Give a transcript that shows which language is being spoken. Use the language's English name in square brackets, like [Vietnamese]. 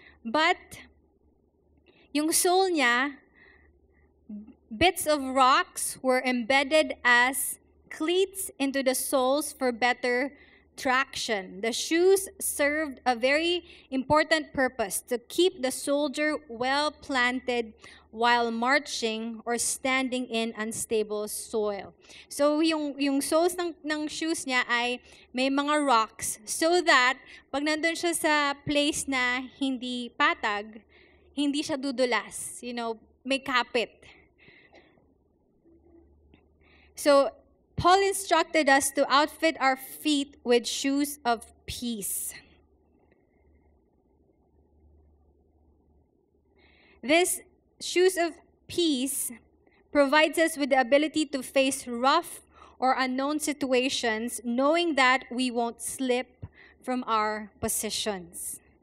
[English] But [Filipino] yung [English] sole [Filipino] niya, [English] bits of rocks were embedded as cleats into the soles for better traction. The shoes served a very important purpose to keep the soldier well planted while marching or standing in unstable soil. [Filipino] So yung soles ng shoes niya ay may mga rocks [English] so that [Filipino] pag nandun siya sa place na hindi patag, hindi siya dudulas, [English] you know, [Filipino] may kapit. [English] So Paul instructed us to outfit our feet with shoes of peace. This shoes of peace provides us with the ability to face rough or unknown situations, knowing that we won't slip from our positions.